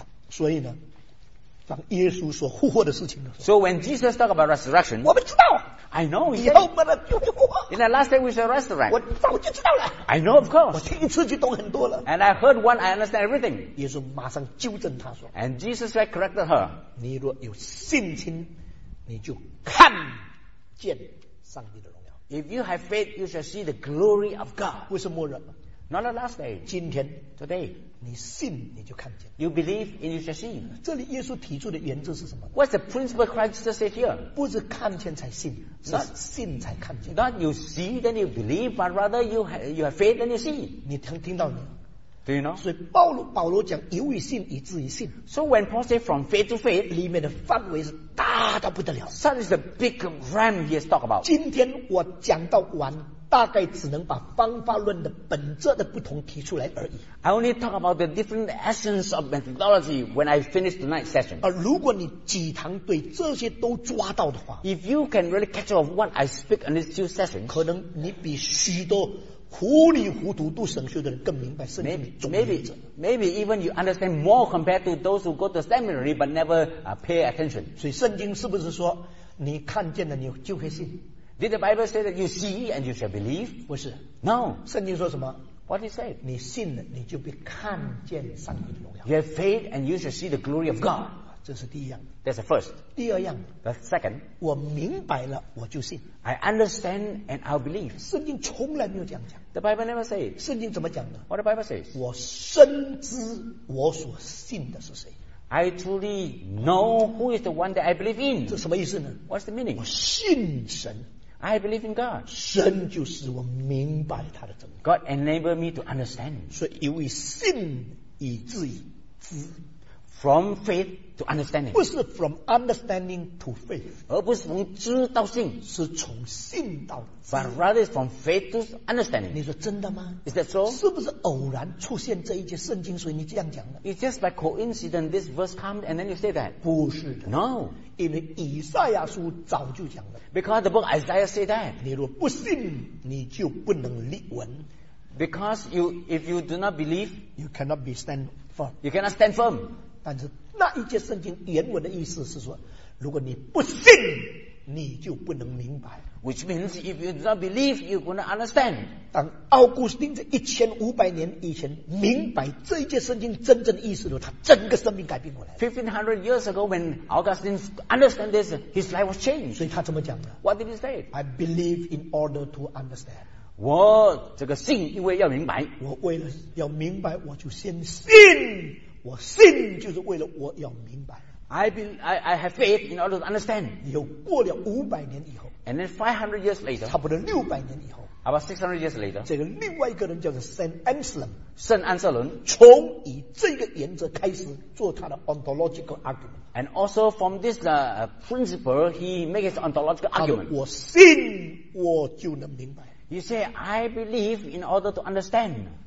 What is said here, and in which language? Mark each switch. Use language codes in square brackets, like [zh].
[zh] 所以呢，当耶稣说复活的事情的时候 [en] ，So when Jesus talk about resurrection, [zh] 我们知道。 [en] I know. [zh] 以后我们就复活。 [en] In the last day we shall resurrect. [zh] 我早就知道了。 [en] I know, of course. [zh] 我听一次就懂很多了。 [en] And I heard one, I understand everything. [zh] 耶稣马上纠正他说。 [en] And Jesus corrected her. [zh] 你若有信心。你就看见上帝的荣耀。 [en] If you have faith, you shall see the glory of God. [zh] 不是末日。 [en] Not the last day. [zh] 今天 [en] ，today， [zh] 你信你就看见。 [en] You believe and you shall see. [zh] 这里耶稣提出的原则是什么 [en] ？What's the principle Christ said here？ [zh] 不是看见才信，是信才看见。 [en] Not you see then you believe, but rather you have faith and you see. [zh] 你听到没有？ [en] Do you know? [zh] 所以保罗讲由于信以至于信 [en] So when Paul said from faith to faith [zh] 里面的范围是大到不得了 [en] Such is the big realm he has talked about [zh] 今天我讲到完大概只能把方法论的本质的不同提出来而已 [en] I only talk about the different essence of methodology when I finish tonight's session [zh] 而如果你几堂对这些都抓到的话 [en] If you can really catch up what I speak in these two sessions [zh] 可能你比许多糊里糊涂读神学的人更明白圣经总原则。 [en] Maybe even you understand more compared to those who go to seminary but never pay attention. [zh] 所以圣经是不是说你看见了你就会信 [en] ？Did the Bible say that you see and you shall believe？ [zh] 不是。 [en] No， [zh] 圣经说什么 [en] ？What did it say？ [zh] 你信了你就被看见上帝的荣耀。 [en] You have faith and you shall see the glory of God。 [zh] 这是第一样。 [en] That's the first。 [zh] 第二样。 [en] The second。 [zh] 我明白了，我就信。 [en] I understand and I'll believe。 [zh] 圣经从来没有这样讲。 [en] The Bible never says。 [zh] 圣经怎么讲的 [en] ？What the Bible says。 [zh] 我深知我所信的是谁。 [en] I truly know who is the one that I believe in。 [zh] 这什么意思呢 [en] ？What's the meaning？ [zh] 我信神。 [en] I believe in God。 [zh] 神就是我明白他的真理。 [en] God enable me to understand。 [zh] 所以由于信以至于知。 [en] From faith to understanding. [zh] 不是 [en] from understanding to faith. [zh] 而不是从知到信。是从信到知。 [en] But rather from faith to understanding. [zh] 你说真的吗？ [en] Is that so? [zh] 是不是偶然出现这一节圣经，所以你这样讲的？ [en] It's just by coincidence this verse comes and then you say that. [zh] 不是的。 [en] No. [zh] 因为以赛亚书早就讲了。 [en] Because the book Isaiah said that. [zh] 你若不信，你就不能立稳。 [en] Because if you do not believe, you cannot be stand firm. You cannot stand firm. [zh] 但是那一节圣经原文的意思是说，如果你不信，你就不能明白。 [en] Which means if you do not believe, you cannot understand. [zh] 当奥古斯丁在1500年以前明白这一节圣经真正的意思的时候，他整个生命改变过来。 [en] 1500 years ago, when Augustine understood this, his life was changed. [zh] 所以他怎么讲的 [en] ？What did he say? I believe in order to understand. [zh] 我这个信，因为要明白。我为了要明白，我就先信。我信就是为了我要明白。 [en] I have faith in order to understand. [zh] 以后过了五百年以后 [en] ，and then 500 years later， [zh] 差不多六百年以后 [en] ，about 600 years later， [zh] 这个另外一个人叫做 Saint Anselm，圣安瑟伦，从以这个原则开始做他的 ontological argument， [en] and also from this principle he makes his ontological argument。 [zh] 我信我就能明白。 [en] You say I believe in order to understand.